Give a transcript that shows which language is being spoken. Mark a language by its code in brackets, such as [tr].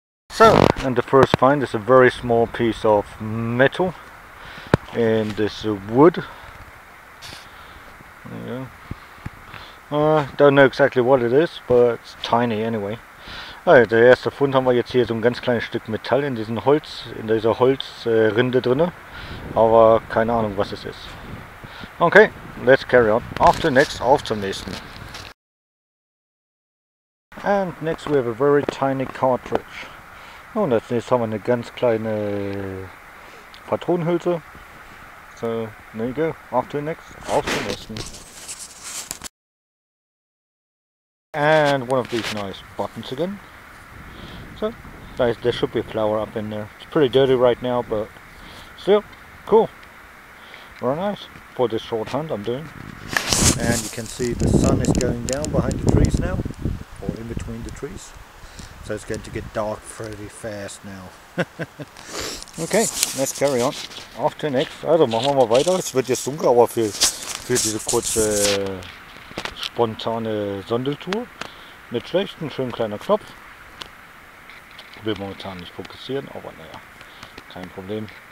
[en] So, and the first find is a very small piece of metal in this wood. Yeah. Don't know exactly what it is, but it's tiny anyway. [de] Also, der erste Fund haben wir jetzt hier so ein ganz kleines Stück Metall in diesem Holz, in dieser Holzrinde drinne. Aber keine Ahnung, was es ist. [en] Okay, let's carry on. After next, [de] auf zum nächsten. [en] And next we have a very tiny cartridge. [de] Und als nächstes haben wir eine ganz kleine Patronenhülse. [en] So, there you go. After next, [de] auf zum nächsten. [en] And one of these nice buttons again. So, guys, there should be a flower up in there. It's pretty dirty right now, but still, cool. Very nice for this short hunt I'm doing. And you can see the sun is going down behind the trees now, or in between the trees. So it's going to get dark pretty fast now. Okay, let's carry on. Auf to next. [de] Also, machen wir mal weiter. Es wird jetzt dunkel, aber für diese kurze spontane Sondeltour. Nicht schlecht, ein schön kleiner Knopf. Will momentan nicht fokussieren, aber naja, kein Problem.